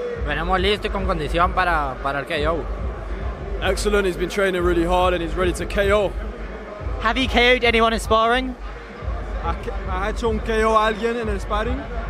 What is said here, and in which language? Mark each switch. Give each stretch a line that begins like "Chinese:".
Spanish: Venimos listos y con condición para el KO.
English: Excellent, he's been training really hard and he's ready to KO. Have you KO'd anyone in sparring?
Spanish: ¿Has hecho un KO a alguien en el sparring?